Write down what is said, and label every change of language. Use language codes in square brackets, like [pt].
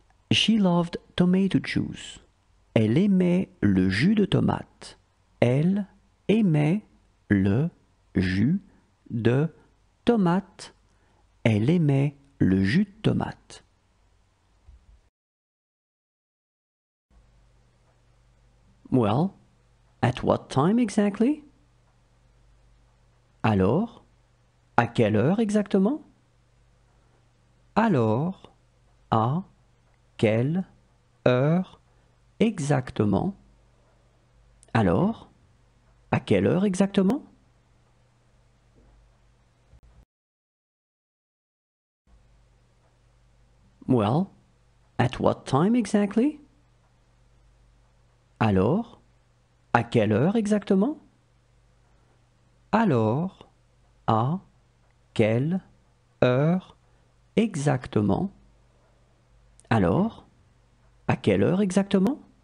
[en] She loved tomato juice. [fr] Elle aimait le jus de tomate. Elle aimait le jus de tomate. Elle aimait le jus de tomate. [en] Well, at what time exactly? [fr] Alors, à quelle heure exactement? Alors, à quelle heure exactement? Alors, à quelle heure exactement? [en] Well, at what time exactly? [fr] Alors, à quelle heure exactement? Alors, à quelle heure exactement? Alors, à quelle heure exactement?